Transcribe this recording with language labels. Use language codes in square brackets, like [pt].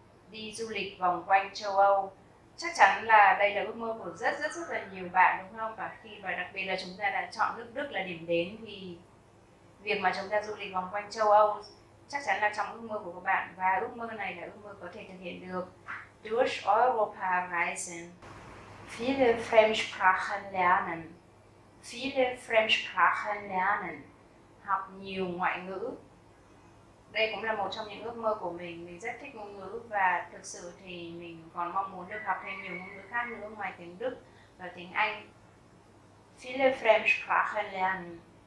[vi] Đi du lịch vòng quanh châu Âu. Chắc chắn là đây là ước mơ của rất là nhiều bạn đúng không? Và khi mà đặc biệt là chúng ta đã chọn nước Đức là điểm đến thì việc mà chúng ta du lịch vòng quanh châu Âu chắc chắn là trong ước mơ của các bạn, và ước mơ này là ước mơ có thể thực hiện được. [de] Durch Europa reisen. Viele Fremdsprachen lernen. Viele Fremdsprachen lernen. [vi] Học nhiều ngoại ngữ. Đây cũng là một trong những ước mơ của mình. Mình rất thích ngôn ngữ và thực sự thì mình còn mong muốn được học thêm nhiều ngôn ngữ khác nữa ngoài tiếng Đức và tiếng Anh. [de] Viele Fremdsprachen lernen.